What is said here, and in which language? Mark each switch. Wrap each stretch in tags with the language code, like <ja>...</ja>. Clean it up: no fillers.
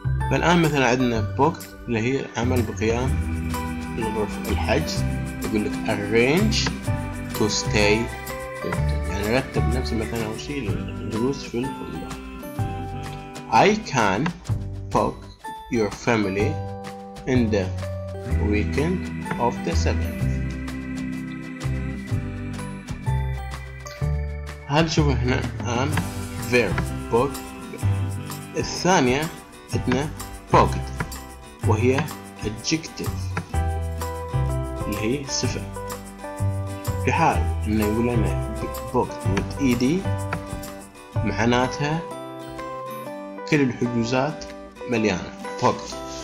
<ar>فالآن مثلا عندنا book اللي هي العمل بقيام الغرف الحجز، يقول لك</ar> <en>arrange to stay booked،</en> <ar>يعني رتب نفسي مثلا أو شيء للجلوس في الفندق.</ar> <en>I can book your family in the weekend of the 7th.</en> <ar>هل شوفوا هنا الآن verb book، الثانية عندنا booked وهي adjective اللي هي صفة، في حال إنه يقول لنا</ar> <en>booked with ed</en> <ar>معناتها كل الحجوزات مليانة booked.</ar>